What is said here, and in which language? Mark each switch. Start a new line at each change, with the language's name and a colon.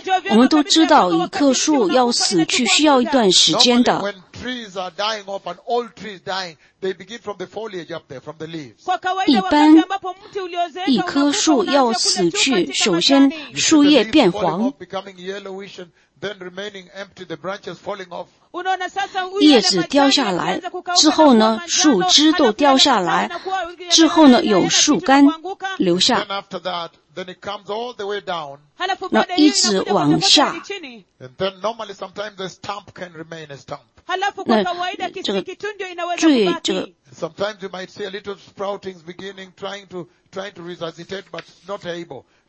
Chinese: 我们都知道一棵树要死去需要一段时间的。
English: When trees are dying off and old trees dying, they begin from the foliage up there, from the leaves.
Chinese: 一般一棵树要死去首先树叶变黄。
English: Then remaining empty, the branches falling off.
Chinese: 叶子掉下来之后呢，树枝都掉下来之后呢，有树干留下。
English: Then after that, then it comes all the way down.
Chinese: 那一直往下。
English: And then normally sometimes the stump can remain a stump.
Chinese: 那这个最这个。
English: Sometimes you might see a little sprouting beginning, trying to resuscitate, but not able.